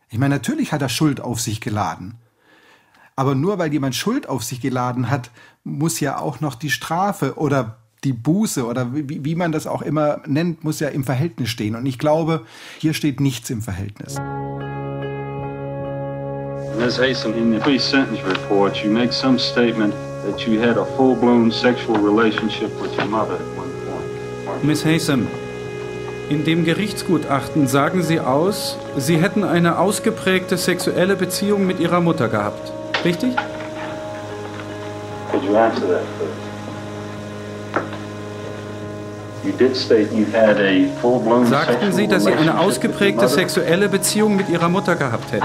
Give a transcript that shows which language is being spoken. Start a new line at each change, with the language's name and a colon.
German: Ich meine, natürlich hat er Schuld auf sich geladen. Aber nur weil jemand Schuld auf sich geladen hat, muss ja auch noch die Strafe oder die Buße oder wie man das auch immer nennt, muss ja im Verhältnis stehen. Und ich glaube, hier steht nichts im Verhältnis.
English: Ms. Haysom, in the pre-sentence report, you make some statement that you had a full-blown sexual relationship with your mother at one point. Ms.
German: Haysom, in dem Gerichtsgutachten sagen Sie aus, Sie hätten eine ausgeprägte sexuelle Beziehung mit Ihrer Mutter gehabt, richtig?
English: Could you answer that, please? You did state you had a full-blown sexual.
German: Sagten Sie, dass Sie eine ausgeprägte sexuelle Beziehung mit Ihrer Mutter gehabt hätten?